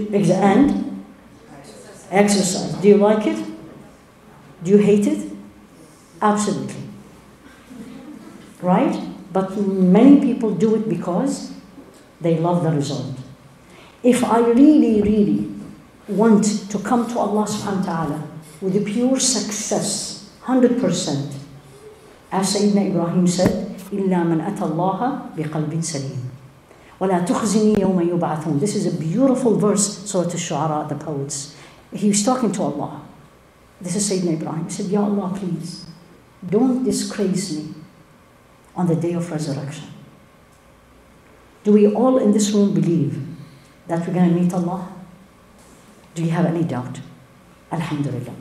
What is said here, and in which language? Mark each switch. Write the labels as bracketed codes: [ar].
[en] And? Exercise. Do you like it? Do you hate it? Absolutely. Right? But many people do it because they love the result. If I really, really want to come to Allah subhanahu wa ta'ala with pure success, 100%. [ar] As Sayyidina Ibrahim said, إِلَّا مَنْ أَتَى اللَّهَ بِقَلْبٍ سَلِيمٍ وَلَا تُخْزِنِي يَوْمَ يُبْعَثُونَ. [en] This is a beautiful verse, Surah al-Shu'ara, the poets. He was talking to Allah. This is Sayyidina Ibrahim. He said, Ya Allah, please, don't disgrace me on the day of resurrection. Do we all in this room believe that we're going to meet Allah? Do you have any doubt? Alhamdulillah.